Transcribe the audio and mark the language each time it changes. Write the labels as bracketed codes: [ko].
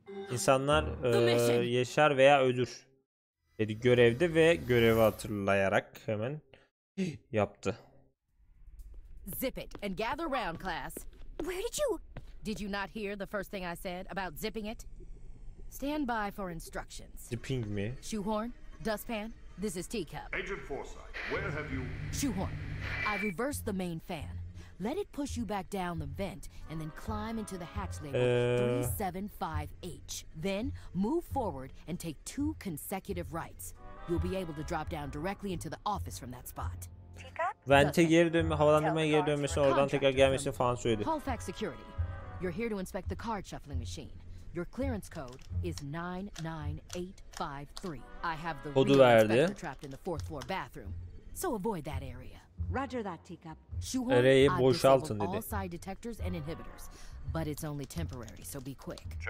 [tr] İnsanlar yaşar veya ölür dedi görevde ve görevi hatırlayarak hemen yaptı. [en] Zip it and gather round, class. Where did you not hear the first thing I said about zipping it? Stand by for instructions. Zipping me. Shoehorn, dustpan, this is teacup. Agent Forsyth, where have you? Shoehorn, I reversed the main fan. Let it push you back down the vent and then climb into the hatch label 375H. Then move forward and take two consecutive rights. You'll be able to drop down directly into the office from that spot. [tr] Vent'e geri dönme, havalandırmaya geri dönmesini, oradan tekrar gelmesini falan söyledi. [en] Halifax Security, you're here to inspect the card shuffling machine. Your clearance code is 99853. I have the real inspector trapped in the fourth floor bathroom, so avoid that area. Roger that, teacup. [tr] Ereği boşaltın dedi. [en] All side detectors and inhibitors, but it's only temporary, so be quick.